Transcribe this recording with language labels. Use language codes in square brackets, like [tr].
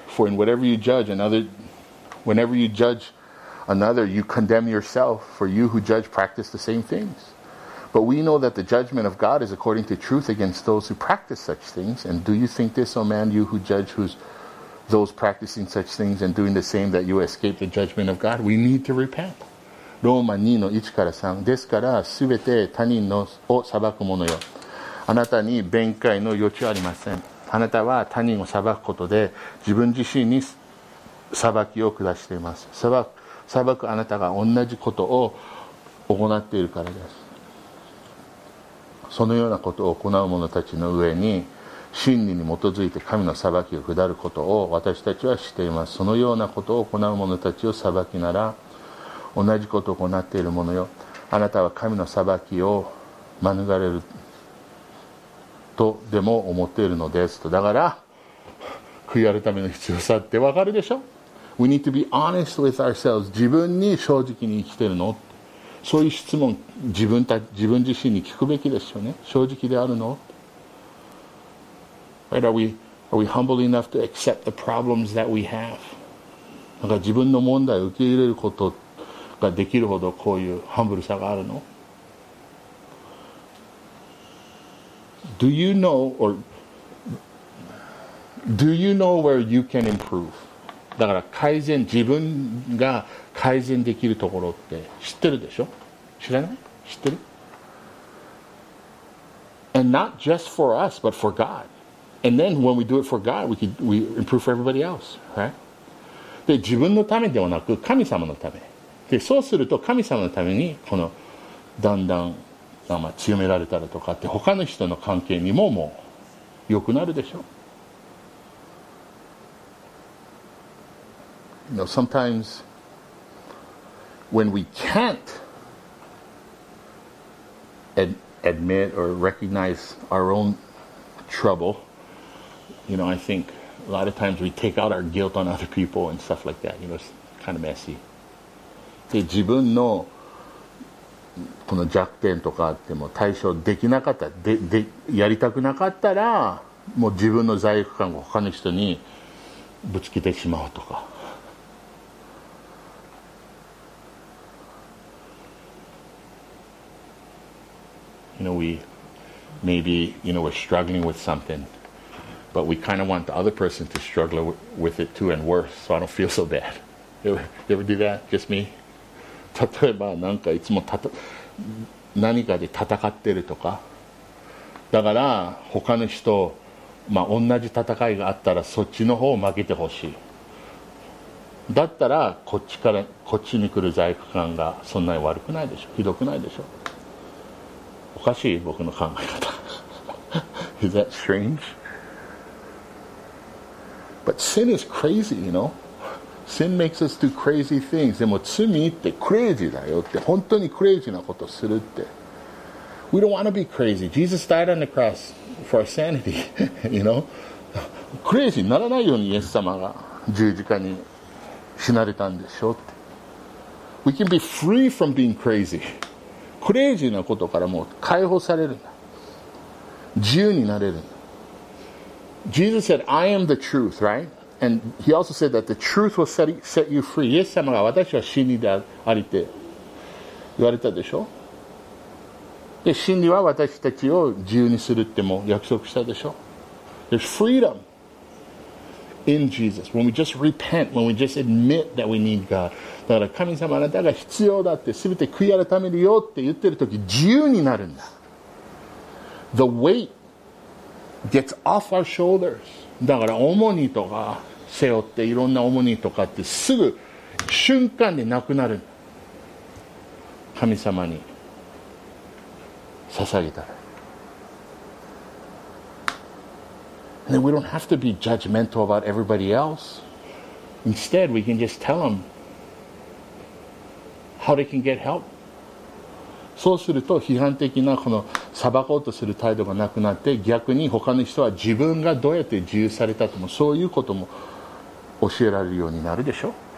[en] For in whatever you judge another, whenever you judge another, you condemn yourself. For you who judge practice the same things. But we know that the judgment of God is according to truth against those who practice such things. And do you think this, O man, you who judge those practicing such things and doing the same, that you escape the judgment of God? We need to repent. [ja] ローマ2の1から3。ですから、すべて他人のを裁くものよ。あなたに弁解の余地はありません。あなたは他人を裁くことで、自分自身に裁きを下しています。裁くあなたが同じことを行っているからです。そのようなことを行う者たちの上に、真理に基づいて神の裁きを下ることを私たちは知っています。そのようなことを行う者たちを裁きなら、同じことを行っているものよ。あなたは神の裁きを免れるとでも思っているのですと。だから悔い改めの必要さってわかるでしょ。 [en] We need to be honest with ourselves. [ja] 自分に正直に生きているの、そういう質問自分自身に聞くべきですよね。正直であるの、 [en] Right? Are we humble enough to accept the problems that we have? [ja] だから自分の問題を受け入れることができるほどこういうハンブルさがあるの。 [en] Do you know or do you know where you can improve? [ja] だから改善、自分が改善できるところって知ってるでしょ。知らない？知ってる？ [en] And not just for us, but for God. And then when we do it for God, we improve for everybody else, right? [ja] で、自分のためではなく神様のため、でそうすると神様のためにこのだんだん強められたらとかって、他の人の関係にももう良くなるでしょ。 [en] You know, sometimes when we can't admit or recognize our own trouble, you know, I think a lot of times we take out our guilt on other people and stuff like that. You know, it's kind of messy. [ja] で自分のこの弱点とかあっても対処できなかった、でやりたくなかったらもう自分の罪悪感を他の人にぶつけてしまうとか。 [en] You know, we maybe, you know, we're struggling with something, but we kind of want the other person to struggle with it too and worse, so I don't feel so bad. You ever do that? Just me? [ja] 例えばなんかいつも何かで戦ってるとか、だから他の人、同じ戦いがあったらそっちの方を負けてほしい。だったらこっちからこっちに来る罪悪感がそんなに悪くないでしょ、ひどくないでしょ。おかしい僕の考え方。 [en] Is that strange? But sin is crazy, you know. Sin makes us do crazy things. [ja] でも罪ってクレイジーだよって、本当にクレイジーなことするって。 [en] We don't want to be crazy. Jesus died on the cross for our sanity, you know. [ja] クレイジーにならないようにイエス様が十字架に死なれたんでしょって。 [en] We can be free from being crazy. [ja] クレイジーなことからもう解放されるんだ。自由になれるんだ。 [en] Jesus said, I am the truth, right? And he also said that the truth will set you free. [ja] イエス様が私は真理でありて言われたでしょ。で、真理は私たちを自由にするっても約束したでしょ。 [en] There's freedom in Jesus. When we just repent, when we just admit that we need God. [ja] だから神様あなたが必要だって、全て悔い改めるよって言ってる時、自由になるんだ。 The weight gets off our shoulders. だから重荷とか背負っていろんな重荷とかってすぐ瞬間でなくなる。神様に捧げたら。 [en] And then we don't have to be judgmental about everybody else. Instead, we can just tell them how they can get help. [ja] そうすると批判的なこの裁こうとする態度がなくなって、逆に他の人は自分がどうやって自由されたとも、そういうことも教えられるようになるでしょう。